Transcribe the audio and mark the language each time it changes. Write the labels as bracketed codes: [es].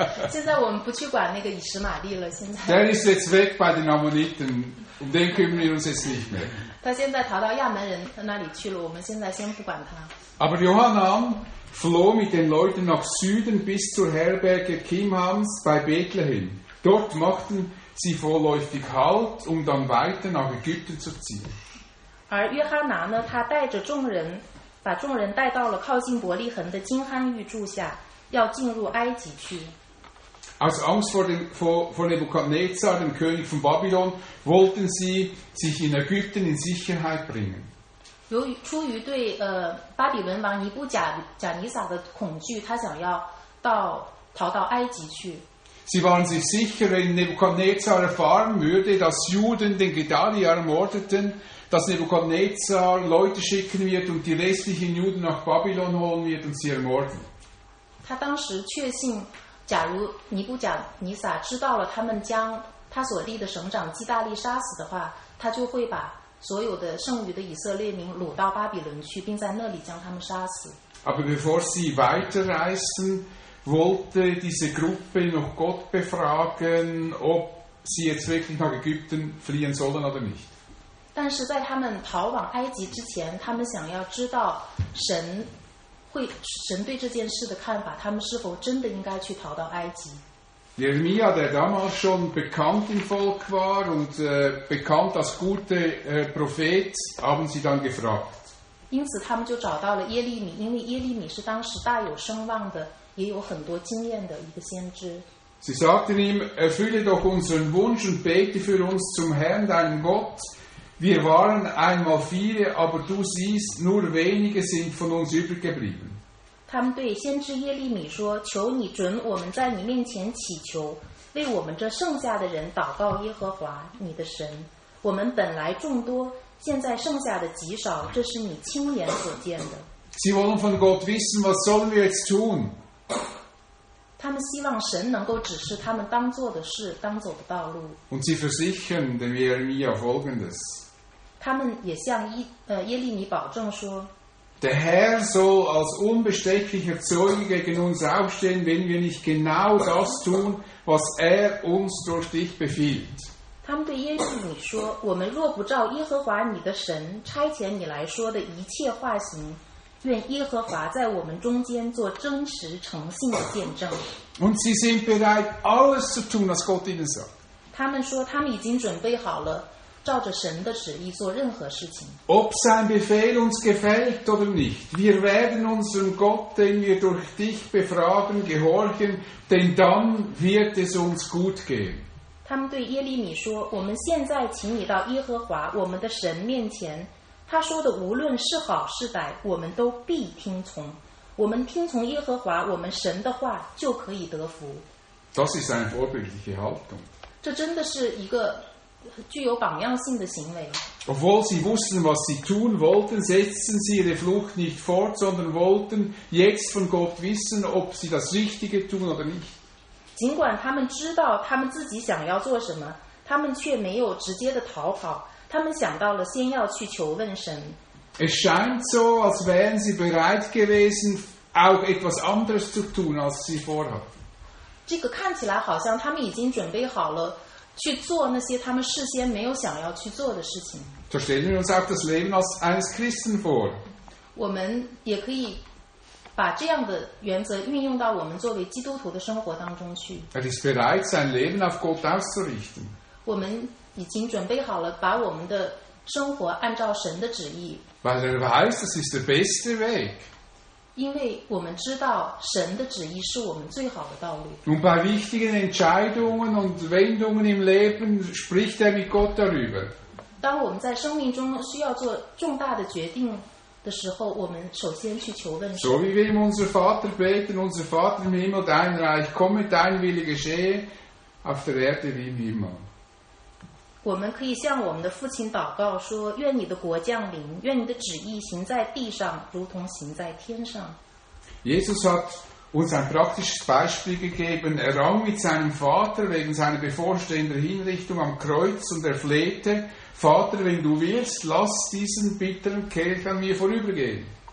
[zh] 现在我们不去管那个以实玛利了。现在。 [de] Der ist jetzt weg bei den Ammoniten, um den kümmern wir uns jetzt nicht mehr. [zh] 他现在逃到亚门人那里去了，我们现在先不管他。 [de] Aber Johanan. Floh mit den Leuten nach Süden bis zur Herberge Kimhams bei Bethlehem. Dort machten sie vorläufig Halt, um dann weiter nach Ägypten zu ziehen. [zh] 而约哈拿呢，他带着众人，把众人带到了靠近伯利恒的金罕玉柱下，要进入埃及去。 [de] Aus Angst vor Nebukadnezar, dem König von Babylon, wollten sie sich in Ägypten in Sicherheit bringen. [zh] 出于对巴比伦王尼布贾尼撒的恐惧，他想要逃到埃及去。 [de] Sie waren sich sicher, wenn Nebukadnezar erfahren würde, dass Juden den Gedalia ermordeten, dass Nebukadnezar Leute schicken wird und die restlichen Juden nach Babylon holen wird und sie ermorden. [zh] 他当时确信，假如尼布贾尼撒知道了他们将他所立的省长基大利杀死的话，他就会把。所有的剩余的以色列民掳到巴比伦去，并在那里将他们杀死。 [de] Aber bevor sie weiterreisten, wollte diese Gruppe noch Gott befragen, ob sie jetzt wirklich nach Ägypten fliehen sollen oder nicht. [zh] 但是在他们逃往埃及之前，他们想要知道神会神对这件事的看法，他们是否真的应该去逃到埃及。 [de] Jeremia, der damals schon bekannt im Volk war und bekannt als guter Prophet, haben sie dann gefragt. [zh] 因此他们就找到了耶利米，因为耶利米是当时大有声望的，也有很多经验的一个先知。 [de] Sie sagten ihm, erfülle doch unseren Wunsch und bete für uns zum Herrn, deinem Gott. Wir waren einmal viele, aber du siehst, nur wenige sind von uns übrig geblieben. [zh] 他们对先知耶利米说，求你准我们在你面前祈求，为我们这剩下的人祷告耶和华你的神。我们本来众多，现在剩下的极少，这是你亲眼所见的。 [de] Sie wollen von Gott wissen, was sollen wir jetzt tun? [zh] 他们希望神能够指示他们当做的事，当走的道路。 [de] Und sie versichern dem Jeremia folgendes. [zh] 他们也向耶利米保证说， [de] Der Herr soll als unbestechlicher Zeuge gegen uns aufstehen, wenn wir nicht genau das tun, was er uns durch dich befiehlt. [zh] 他们对耶利米说，我们若不照耶和华你的神差遣你来说的一切话行，愿耶和华在我们中间做真实诚信的见证。 [de] Und sie sind bereit, alles zu tun, was Gott ihnen sagt. [zh] 他们说他们已经准备好了，照着神的旨意做任何事情。 [de] Ob sein Befehl uns gefällt oder nicht, wir werden unserem Gott, den wir durch dich befragen, gehorchen, denn dann wird es uns gut gehen. [zh] 他们对耶利米说，我们现在请你到耶和华我们的神面前，他说的无论是好是歹，我们都必听从。我们听从耶和华我们神的话，就可以得福。 [de] Das ist eine vorbildliche Haltung. [zh] 这真的是一个具有榜样性的行为。 [de] Obwohl sie wussten, was sie tun wollten, setzten sie ihre Flucht nicht fort, sondern wollten jetzt von Gott wissen, ob sie das Richtige tun oder nicht. [zh] 尽管他们知道他们自己想要做什么，他们却没有直接的逃跑。他们想到了先要去求问神。 [de] Es scheint so, als wären sie bereit gewesen, auch etwas anderes zu tun, als sie vorhatten. [zh] 这个看起来好像他们已经准备好了去做那些他们事先没有想要去做的事情。 [de] So stellen wir uns auch das Leben als eines Christen vor. [zh] 我们也可以把这样的原则运用到我们作为基督徒的生活当中去。 [de] Er ist bereit, sein Leben auf Gott auszurichten. [zh] 我们已经准备好了把我们的生活按照神的旨意。 [de] Weil er weiß, das ist der beste Weg. [zh] 因为我们知道神的旨意是我们最好的道路。 [de] Und bei wichtigen Entscheidungen und Wendungen im Leben spricht er mit Gott darüber. [zh] 当我们在生命中需要做重大的决定的时候，我们首先去求问神。 [de] So wie wir unser Vater beten, unser Vater im Himmel, dein Reich, komme dein Wille geschehe, auf der Erde wie im Himmel. [zh] 我们可以向我们的父亲祷告说，愿你的国降临，愿你的旨意行在地上如同行在天上。 [de] Jesus hat uns ein praktisches Beispiel gegeben. Er rang mit seinem Vater wegen seiner bevorstehenden Hinrichtung am Kreuz und er flehte, Vater, wenn du willst, lass diesen bitteren Kelch an mir vorübergehen.